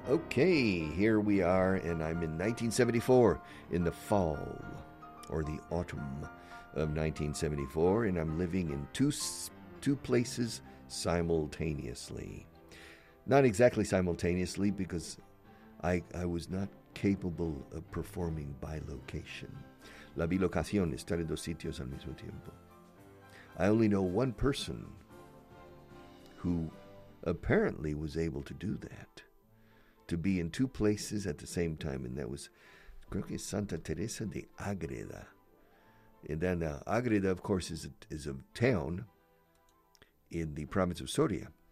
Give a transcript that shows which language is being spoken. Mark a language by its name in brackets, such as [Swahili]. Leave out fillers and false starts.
[English] Okay, here we are, and I'm in 1974, in the fall, or the autumn of 1974, and I'm living in two places simultaneously. Not exactly simultaneously, because I was not capable of performing bilocation. [Spanish] La bilocación, estar en 2 sitios al mismo tiempo. [English] I only know one person who apparently was able to do that, to be in 2 places at the same time, and that was, [Spanish] creo que [English] Santa Teresa de Ágreda. And then Ágreda, of course, is a town in the province of Soria.